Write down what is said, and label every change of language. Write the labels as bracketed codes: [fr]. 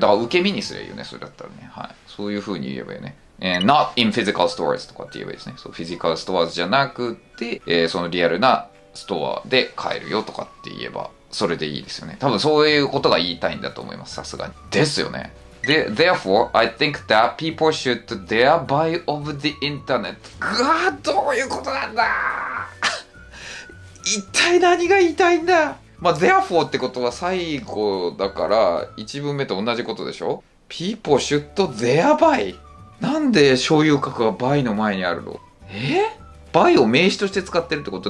[ja] だから受け身にすればいいよね、それだったらね。はい、そういう風に言えばいいね。 [en] Not in physical stores [ja] とかって言えばいいですね。そう、 [en] physical stores [ja] じゃなくて、そのリアルなストアで買えるよとかって言えばそれでいいですよね。多分そういうことが言いたいんだと思います、さすがに。ですよね。 [en] で、therefore I think that people should dare buy of the internet。 [ja] がーどういうことなんだ。一体何が言いたいんだ。まあ、therefore ってことは最後だから1文目と同じことでしょ。 [en] People should their buy。 [ja] なんで所有格は buy の前にあるの。buy を名詞として使ってるってこと。